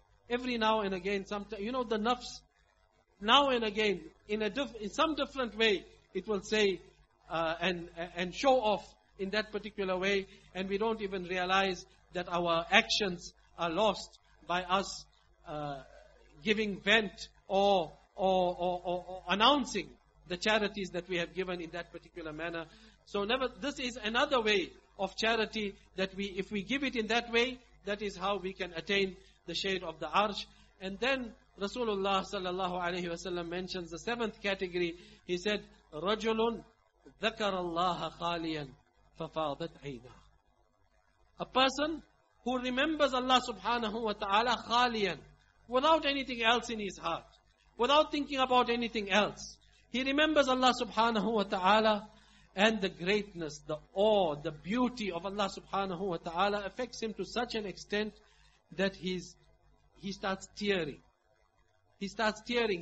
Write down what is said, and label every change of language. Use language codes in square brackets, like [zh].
[en] Every now and again, sometimes, you know, the nafs, now and again, in some different way, it will say and show off in that particular way, and we don't even realize that our actions are lost by us giving vent or announcing the charities that we have given in that particular manner. So never, this is another way of charity that we, if we give it in that way, that is how we can attain the shade of the arsh. And then Rasulullah sallallahu alayhi wa sallam mentions the seventh category. [ar] He said, رَجُلٌ ذَكَرَ اللَّهَ خَالِيًا فَفَاضَتْ عَيْنَاهُ. [en] A person who remembers Allah subhanahu wa ta'ala خَالِيًا, without anything else in his heart, without thinking about anything else. He remembers Allah subhanahu wa ta'ala, and the greatness, the awe, the beauty of Allah subhanahu wa ta'ala affects him to such an extent that he starts tearing. He starts tearing.